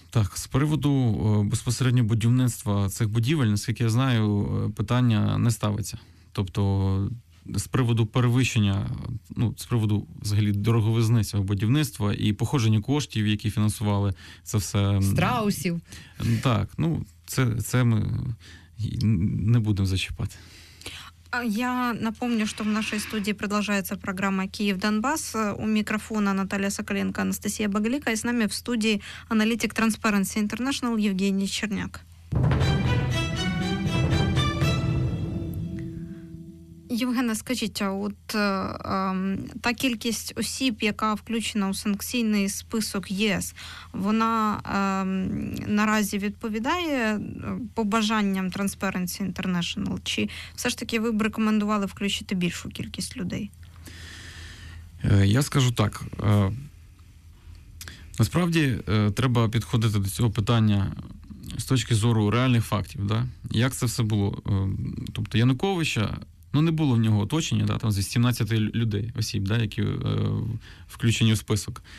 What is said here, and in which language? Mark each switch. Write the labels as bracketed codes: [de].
[uk] Так, з приводу безпосередньо будівництва цих будівель, наскільки я знаю, питання не ставиться. Тобто, з приводу перевищення, ну, з приводу, взагалі, дороговизни цього будівництва і походження коштів, які фінансували це все. Страусів. Так, ну, це ми не будемо зачіпати. [ru] Я напомню, что в нашей студии продолжается программа «Киев-Донбасс». У микрофона Наталья Соколенко, Анастасия Багалика. И с нами в студии аналитик Transparency International Евгений Черняк. [uk] Євгене, скажіть, а от та кількість осіб, яка включена у санкційний список ЄС, вона наразі відповідає побажанням Transparency International? Чи все ж таки ви б рекомендували включити більшу кількість людей? Я скажу так. Насправді, треба підходити до цього питання з точки зору реальних фактів. Да? Як це все було? Тобто Януковича, ну, не було в нього оточення, да, там зі 17 людей, осіб, да, які включені в список.